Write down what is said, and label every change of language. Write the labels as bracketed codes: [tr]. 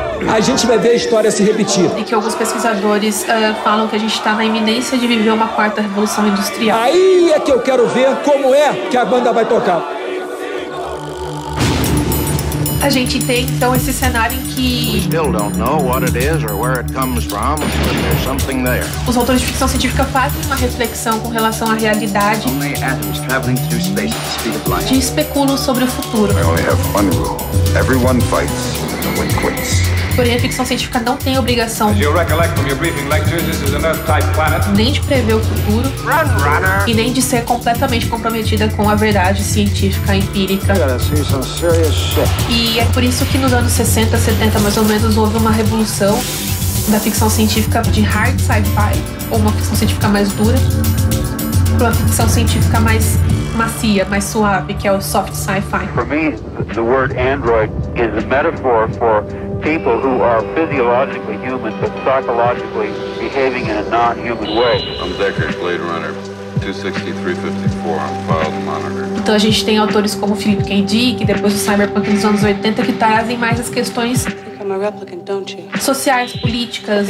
[pt] A gente vai ver a história se repetir. E que alguns pesquisadores falam que a gente está na iminência de viver uma quarta revolução industrial. Aí é que eu quero ver como é que a banda vai tocar. A gente tem, então, esse cenário em que... [en] We still don't know what it is or where it comes from, but there's something there. [pt] Os autores de ficção científica fazem uma reflexão com relação à realidade. [en] Only atoms traveling through space at the speed of light. [pt] De especulam sobre o futuro. [en] I only have one rule. Everyone fights, and no one quits. [pt] Porém, a ficção científica não tem obrigação nem de prever o futuro e nem de ser completamente comprometida com a verdade científica empírica. E é por isso que nos anos 60, 70, mais ou menos, houve uma revolução da ficção científica de hard sci-fi, ou uma ficção científica mais dura, para uma ficção científica mais macia, mais suave, que é o soft sci-fi. Para mim, [en] the word android is a metaphor for people who are physiologically human but psychologically behaving in a non-human way. I'm Decker, Blade Runner, 26354, on file to monitor. [pt] Então a gente tem autores como Philip K. Dick, que depois do cyberpunk dos anos 80, que trazem mais as questões sociais, políticas,